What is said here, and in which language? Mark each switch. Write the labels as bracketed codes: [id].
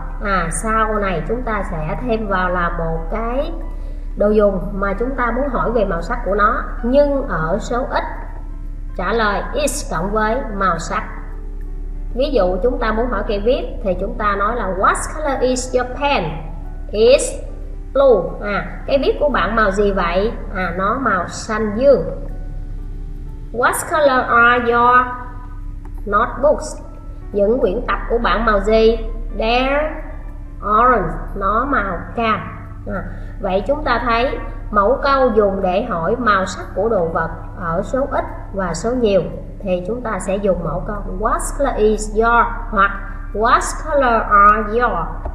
[vi] À, sau này chúng ta sẽ thêm vào là một cái đồ dùng mà chúng ta muốn hỏi về màu sắc của nó, nhưng ở số ít. Trả lời is cộng với màu sắc. Ví dụ chúng ta muốn hỏi cây viết thì chúng ta nói là [en] What color is your pen? It's blue. [vi] À, cây viết của bạn màu gì vậy? À, nó màu xanh dương. [en] What color are your notebooks? [vi] Những quyển tập của bạn màu gì? [en] They're orange. [vi] Nó màu cam. À, vậy chúng ta thấy mẫu câu dùng để hỏi màu sắc của đồ vật ở số ít và số nhiều thì chúng ta sẽ dùng mẫu câu [en] What color is your [vi] hoặc [en] What color are your.